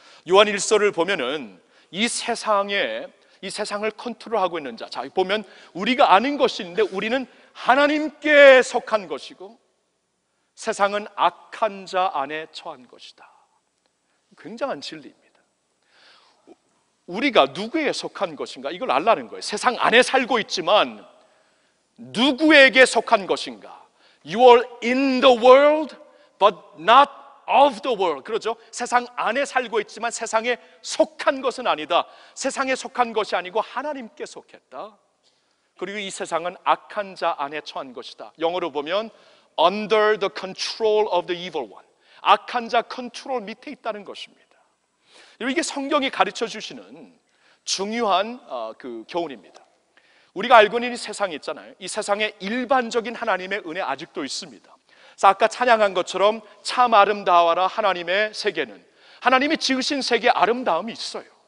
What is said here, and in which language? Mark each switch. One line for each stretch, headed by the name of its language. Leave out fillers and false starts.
Korean: 요한 1서를 보면은 이 세상을 컨트롤하고 있는 자, 자, 보면 우리가 아는 것이 있는데 우리는 하나님께 속한 것이고 세상은 악한 자 안에 처한 것이다. 굉장한 진리입니다. 우리가 누구에 속한 것인가 이걸 알라는 거예요. 세상 안에 살고 있지만 누구에게 속한 것인가.
English: You are in the world but not of the world.
Korean: 그렇죠? 세상 안에 살고 있지만 세상에 속한 것은 아니다. 세상에 속한 것이 아니고 하나님께 속했다. 그리고 이 세상은 악한 자 안에 처한 것이다. 영어로 보면
English: under the control of the evil one.
Korean: 악한 자 컨트롤 밑에 있다는 것입니다. 이게 성경이 가르쳐 주시는 중요한 교훈입니다. 우리가 알고 있는 이 세상이 있잖아요. 이 세상에 일반적인 하나님의 은혜 아직도 있습니다. 아까 찬양한 것처럼 참 아름다워라 하나님의 세계는, 하나님이 지으신 세계에 아름다움이 있어요.